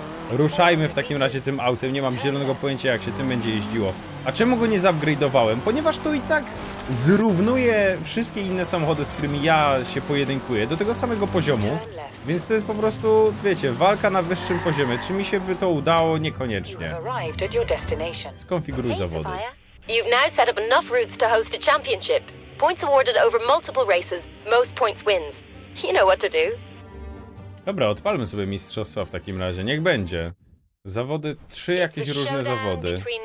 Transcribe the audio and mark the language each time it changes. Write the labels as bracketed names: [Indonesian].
[Polish] Ruszajmy w takim razie tym autem. Nie mam zielonego pojęcia, jak się tym będzie jeździło. A czemu go nie zaupgrade'owałem? Ponieważ to i tak zrównuje wszystkie inne samochody, z którymi ja się pojedynkuję, do tego samego poziomu. Więc to jest po prostu, wiecie, walka na wyższym poziomie. Czy mi się by to udało? Niekoniecznie. Skonfiguruj zawody. [English] You've now set up enough routes to host a championship. Points awarded over multiple races, most points wins. You know what to do. [Polish] Dobra, odpalmy sobie mistrzostwa w takim razie. Niech będzie. Zawody, trzy jakieś różne zawody.